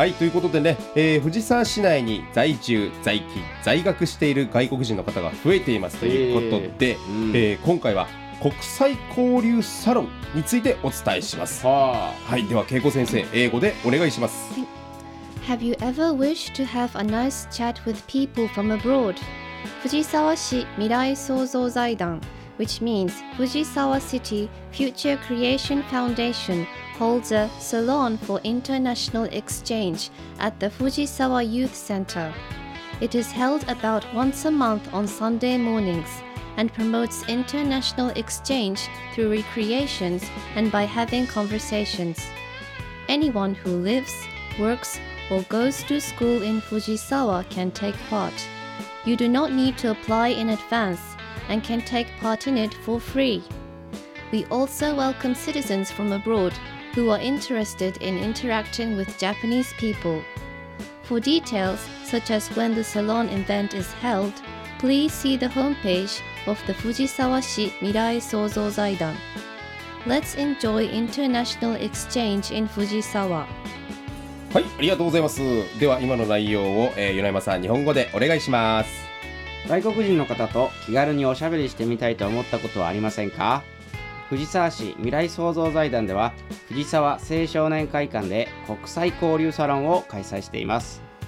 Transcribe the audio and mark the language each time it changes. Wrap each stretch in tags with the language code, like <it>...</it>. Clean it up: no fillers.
<ja>はい、ということでね、藤沢市内に在住在勤在学している外国人の方が増えていますということで、今回は国際交流サロンについてお伝えします。はい、では恵子先生、英語でお願いします。</ja> <en>Have you ever wished to have a nice chat with people from abroad? Fujisawa Shi Mirai Sozo Zaidan, which means Fujisawa City Future Creation Foundation, holds a salon for international exchange at the Fujisawa Youth Center. It is held about once a month on Sunday mornings and promotes international exchange through recreations and by having conversations. Anyone who lives, works,or goes to school in Fujisawa can take part. You do not need to apply in advance and can take part in it for free. We also welcome citizens from abroad who are interested in interacting with Japanese people. For details, such as when the salon event is held, please see the homepage of the Fujisawa Shi Mirai Sozo Zaidan. Let's enjoy international exchange in Fujisawa.</en> <ja>はい、ありがとうございます。では今の内容を、米山さん日本語でお願いします。外国人の方と気軽におしゃべりしてみたいと思ったことはありませんか？藤沢市未来創造財団では藤沢青少年会館で国際交流サロンを開催しています。</ja>